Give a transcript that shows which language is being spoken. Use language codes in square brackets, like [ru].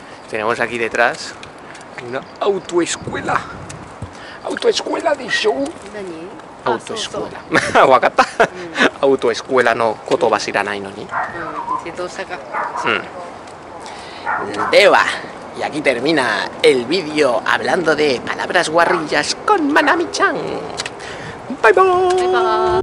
[es] Tenemos aquí detrás una autoescuela. Autoescuela de show. [ja] 何？ [es] autoescuela. [ja] わかった autoescuela の言葉知らないのに、自動車学校。 [es] Deba, y aquí termina el vídeo hablando de palabras guarrillas con Manami-chan. Bye bye.